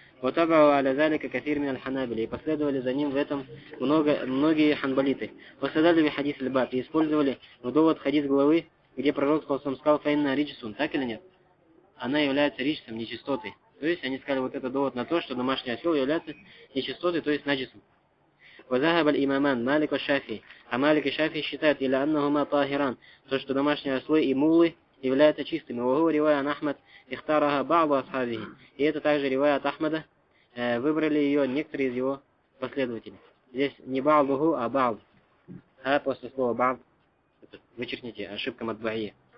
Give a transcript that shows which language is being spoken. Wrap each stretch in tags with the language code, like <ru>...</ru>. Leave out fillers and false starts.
<ar>وتابعوا على ذلك كثير من الحنابلة</ar> <ru>последовали за ним в этом многие ханбалиты. Последовали хадис аль-баб и использовали в довод хадис главы, где пророк сказал</ru> <ar>фаинна риджсун,</ar> <ru>так или нет? Она является риджсом, нечистотой. То есть они сказали вот этот довод на то, что домашний осел является нечистотой, то есть наджисом.</ru> <ar>وذهب الإمامان مالك والشافعي.</ar> <ru>А Малик и Шафии считают</ru> <ar>إلا أنهما طاهران,</ar> <ru>то что домашние ослы и мулы является чистыми.</ru> <ar>Ва ривая ан Ахмад ихтараха баъду асхабихи.</ar> <ru>И это также ривая от Ахмада, выбрали ее некоторые из его последователей. Здесь не баъдуху, а баъд. А после слова баъд, вычеркните, ошибка матбаия.</ru>